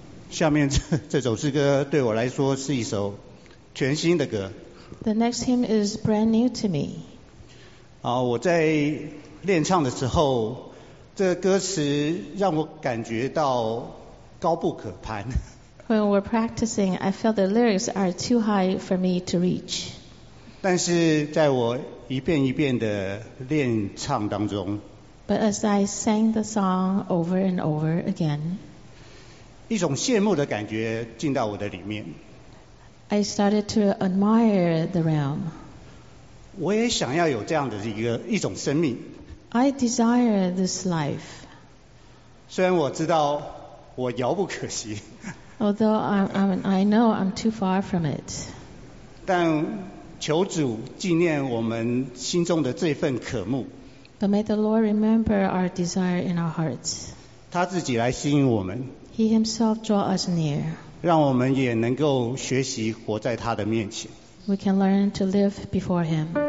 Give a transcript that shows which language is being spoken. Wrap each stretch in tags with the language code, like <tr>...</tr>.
<zh>下面 这首诗歌对我来说是一首全新的歌。</zh> <en>The next hymn is brand new to me.</en> <zh>我在练唱的时候，这个歌词让我感觉到高不可攀。</zh> <en>When we're practicing, I felt the lyrics are too high for me to reach.</en> <zh>但是在我一遍一遍的练唱当中</zh> <en>，But as I sang the song over and over again.</en> <zh>一种羡慕的感觉进到我的里面。</zh> <en>I started to admire the realm.</en> <zh>我也想要有这样的一种生命。</zh> <en>I desire this life.</en> <zh>虽然我知道我遥不可及。</zh> <en>Although I know I'm too far from it.</en> <zh>但求主纪念我们心中的这份渴慕。</zh> <en>But may the Lord remember our desire in our hearts.</en> <zh>他自己来吸引我们。</zh> <en>He himself draw us near.</en> <zh>让我们也能够学习活在他的面前。</zh> <en>We can learn to live before him.</en>